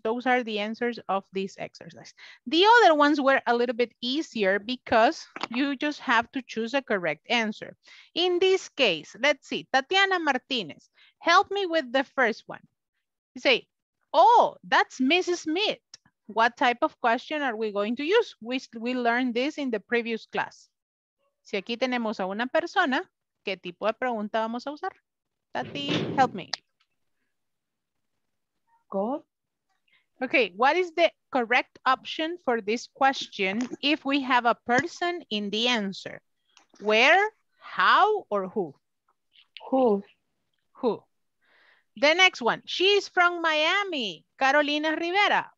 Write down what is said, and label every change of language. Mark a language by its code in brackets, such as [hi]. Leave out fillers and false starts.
[en] Those are the answers of this exercise. The other ones were a little bit easier because you just have to choose a correct answer. In this case, let's see, Tatiana Martinez, help me with the first one. You say, oh, that's Mrs. Smith. What type of question are we going to use? We learned this in the previous class. [es] Si aquí tenemos a una persona, ¿qué tipo de pregunta vamos a usar? [en] Tati, help me. Go. Okay, what is the correct option for this question if we have a person in the answer? Where, how, or who? Who. Who. The next one, she is from Miami, Carolina Rivera.